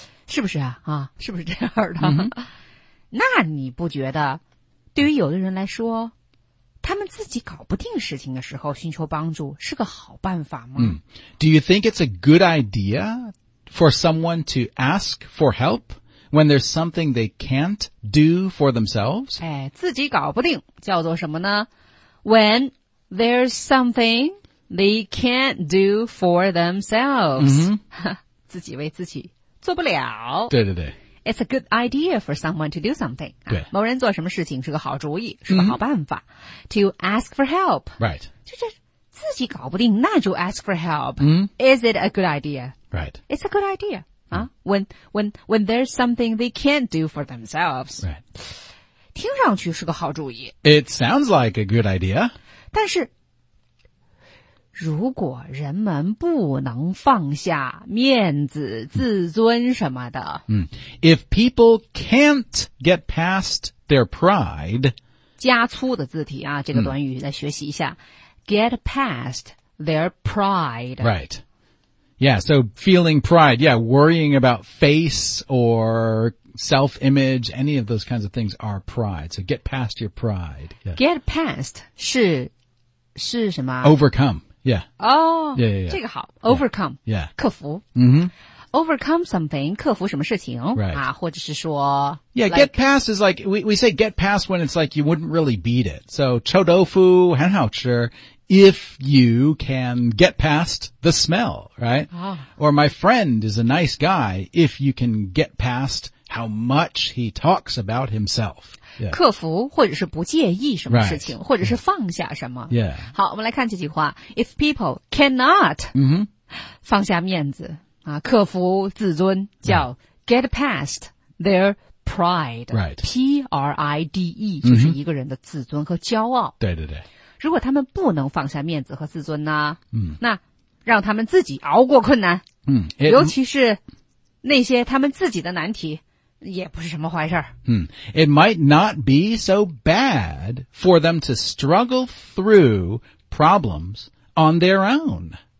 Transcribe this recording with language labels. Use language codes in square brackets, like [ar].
[zh] 是不是 啊是不是这样的、那你不觉得对于有的人来说，他们自己搞不定事情的时候寻求帮助是个好办法吗？ [en] Do you think it's a good idea for someone to ask for help when there's something they can't do for themselves? [zh] 哎，自己搞不定叫做什么呢？ [en] When there's something they can't do for themselves. [zh] 自己为自己做不了。对对对。 [en] It's a good idea for someone to do something. [zh] 对、啊、某人做什么事情是个好主意，是个好办法。 [en] To ask for help. Right. [zh] 就是自己搞不定，那就 [en] ask for help. Is it a good idea? Right. It's a good idea.、When there's something they can't do for themselves. Right. [zh] 听上去是个好主意。 [en] It sounds like a good idea. [zh] 但是如果人们不能放下面子、自尊什么的。 [en] If people can't get past their pride. [zh] 加粗的字体啊，这个短语再学习一下。 [en] Get past their pride. Right. Yeah, so feeling pride, yeah, worrying about face or self-image, any of those kinds of things are pride. So get past your pride.、Yeah. Get past [zh] 是什么？ [en] Overcome. Yeah. Oh, yeah, yeah, yeah. [zh] 这个好 overcome. [en] Yeah. [zh] 克服、 [en] Overcome something, [zh] 克服什么事情、 [en] right. [zh] 啊、或者是说 [en] Yeah, like, get past is like, we say get past when it's like you wouldn't really beat it. So, [zh] 臭豆腐很好吃 [en] if you can get past the smell, right?、Or my friend is a nice guy if you can get past how much he talks about himself. Yeah. [zh] 克服或者是不介意什么事情、 [en] right. [zh] 或者是放下什么、 [en] yeah. [zh] 好我们来看这句话 [en] If people cannot、 [zh] 放下面子、啊、克服自尊叫、 [en] get past their pride、 right. [zh] P-R-I-D-E 就是一个人的自尊和骄傲对对对如果他们不能放下面子和自尊呢、 mm-hmm. 那让他们自己熬过困难、 mm-hmm. 尤其是那些他们自己的难题也不是什么坏事儿。 [en] It might not be so bad for them to struggle through problems on their own.